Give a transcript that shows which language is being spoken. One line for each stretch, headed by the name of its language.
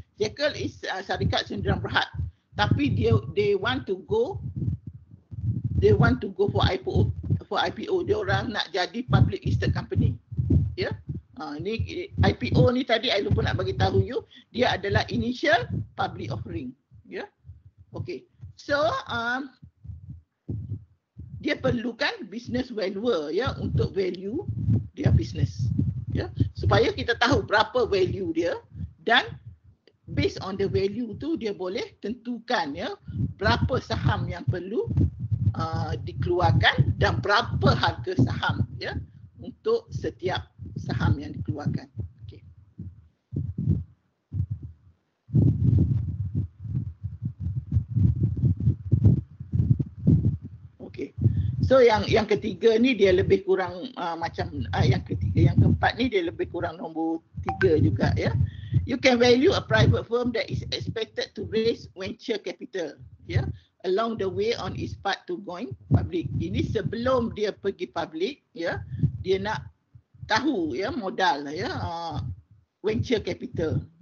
Malay: Jekyll is syarikat Sdn Bhd. Tapi dia
English: they want to go for IPO.
Malay: Dia orang nak jadi public listed company. Ya. Yeah? Ni IPO ni tadi I lupa nak bagi tahu you, dia adalah initial public offering. Ya. Yeah? Okay. So dia perlukan business valuer ya yeah, untuk value dia business ya yeah. Supaya kita tahu berapa value dia dan
English: based on the value
Malay: tu dia boleh tentukan ya yeah, berapa saham yang perlu dikeluarkan dan berapa harga saham ya yeah, untuk setiap saham yang dikeluarkan. Okay. So yang ketiga ni dia lebih kurang macam yang keempat ni dia lebih kurang nombor tiga juga ya.
English: Yeah. You can value a private firm that is expected to raise venture capital ya yeah, along the way on its path to going public.
Malay: Ini sebelum dia pergi public ya, yeah, dia nak tahu ya yeah, modal ya yeah, venture capital.